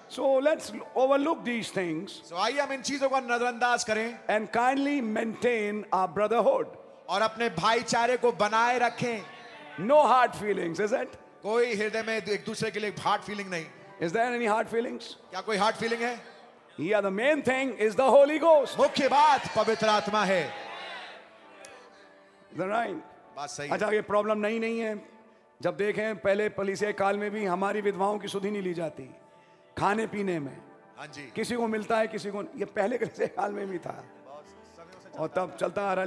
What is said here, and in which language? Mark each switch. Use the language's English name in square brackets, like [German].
[English] So let's overlook these things. [Hindi] So आइए हम इन चीजों को नजरअंदाज करें. [English] And kindly maintain our brotherhood. [Hindi] और अपने भाईचारे को बनाए रखें. [English] No hard feelings, is it? [Hindi] कोई हृदय में एक दूसरे के लिए हार्ड फीलिंग नहीं. [English] Is there any hard feelings? [Hindi] क्या कोई हार्ड फीलिंग है? [English] Yeah, the main thing is the Holy Ghost. [Hindi] मुख्य बात पवित्र आत्मा है. [English] The right. [Hindi] बात सही. अच्छा ये problem नहीं नहीं है. जब देखें पहले पलीसिया काल में भी हमारी विधवाओं की सुधि नहीं ली जाती खाने पीने में. हाँ जी. किसी को मिलता है किसी को. ये पहले के काल में भी था और तब चलता आ रहा है.